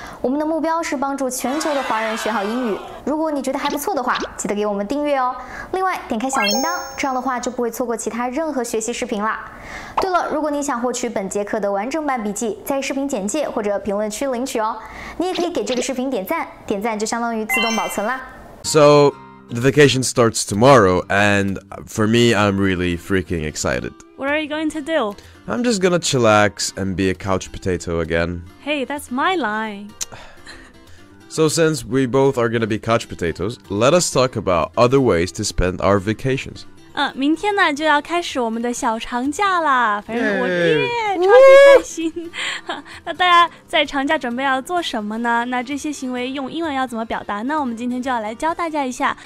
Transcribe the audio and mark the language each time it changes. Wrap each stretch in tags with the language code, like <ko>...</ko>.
<zh>我们的目标是帮助全球的华人学好英语。如果你觉得还不错的话，记得给我们订阅哦。另外，点开小铃铛，这样的话就不会错过其他任何学习视频啦。对了，如果你想获取本节课的完整版笔记，在视频简介或者评论区领取哦。你也可以给这个视频点赞，点赞就相当于自动保存啦。</zh> <en>So, the vacation starts tomorrow, and for me, I'm really freaking excited. What are you going to do? I'm just gonna chillax and be a couch potato again. Hey, that's my line. So since we both are gonna be couch potatoes, let us talk about other ways to spend our vacations.</en> <zh>明天呢就要开始我们的小长假啦，反正我耶超级开心。那大家在长假准备要做什么呢？那这些行为用英文要怎么表达呢？我们今天就要来教大家一下。</zh>